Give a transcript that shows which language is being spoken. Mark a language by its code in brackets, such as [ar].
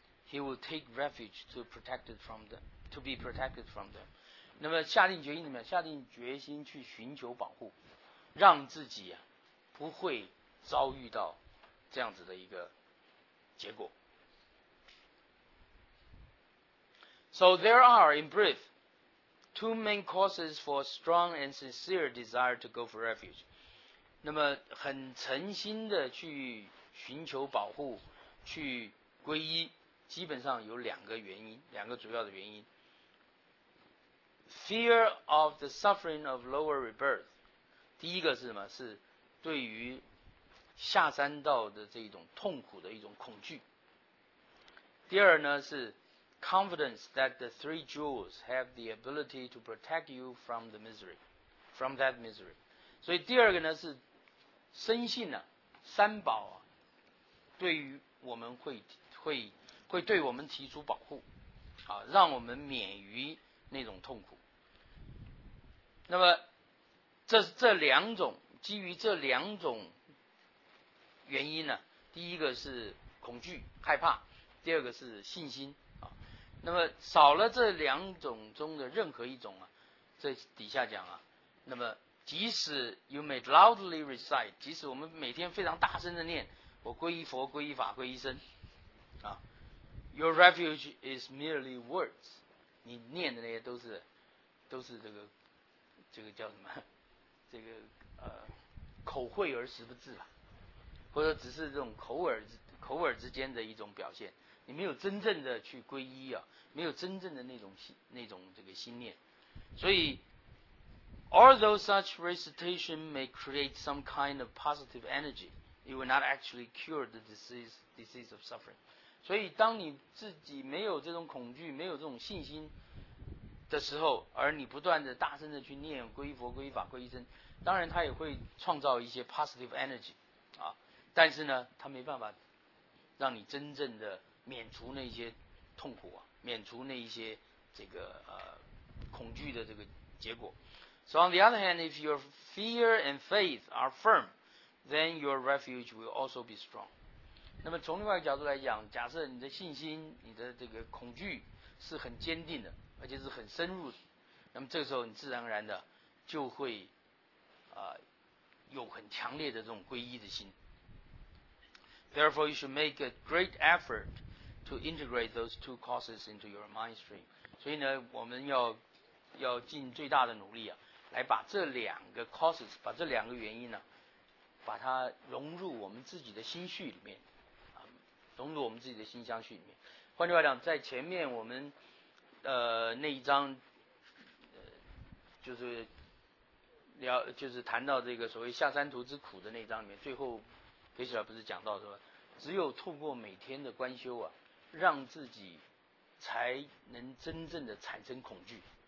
[en] He will take refuge to be protected from them。 [zh] 那么下定决心怎么样？下定决心去寻求保护，让自己啊不会遭遇到这样子的一个结果。 [en] So there are, in brief, two main causes for strong and sincere desire to go for refuge. [zh] 那么很诚心的去寻求保护，去皈依，基本上有两个原因，两个主要的原因。 [en] Fear of the suffering of lower rebirth. [zh] 第一个是什么？是对于下三道的这种痛苦的一种恐惧。第二呢，是 [en] confidence that the three jewels have the ability to protect you from the misery, from that misery. [zh] 所以第二个呢，是深信啊，三宝啊，对于我们会对我们提出保护，啊，让我们免于那种痛苦。那么基于这两种原因呢，第一个是恐惧害怕，第二个是信心啊。那么少了这两种中的任何一种啊，这底下讲啊，那么即使 [en] you may loudly recite， [zh] 即使我们每天非常大声的念，我皈依佛、皈依法、皈依僧啊， [en] your refuge is merely words， [zh] 你念的那些都是这个叫什么？这个口惠而实不至吧，或者只是这种口耳之间的一种表现，你没有真正的去皈依啊，没有真正的那种这个心念。所以 [en] although such recitation may create some kind of positive energy, it will not actually cure the disease of suffering. [zh] 所以当你自己没有这种恐惧，没有这种信心的时候，而你不断的大声的去念皈依佛、皈依法、皈依僧，当然他也会创造一些 [en] positive energy [zh] 啊，但是呢他没办法让你真正的免除那些痛苦啊，免除那一些这个恐惧的这个结果。 [en] So on the other hand, if your fear and faith are firm, then your refuge will also be strong. [zh] 那么从另外一个角度来讲，假设你的信心、你的这个恐惧是很坚定的，而且是很深入，那么这个时候你自然而然的就会有很强烈的这种皈依的心。 [en] Therefore you should make a great effort to integrate those two causes into your mind stream. [zh] 所以呢我们要尽最大的努力啊，来把这两个 causes， 把这两个原因呢、啊、把它融入我们自己的心绪里面啊，融入我们自己的心相绪里面。换句话讲，在前面我们那一章就是谈到这个所谓下三途之苦的那一章里面，最后给起来不是讲到说，只有透过每天的观修啊，让自己才能真正的产生恐惧。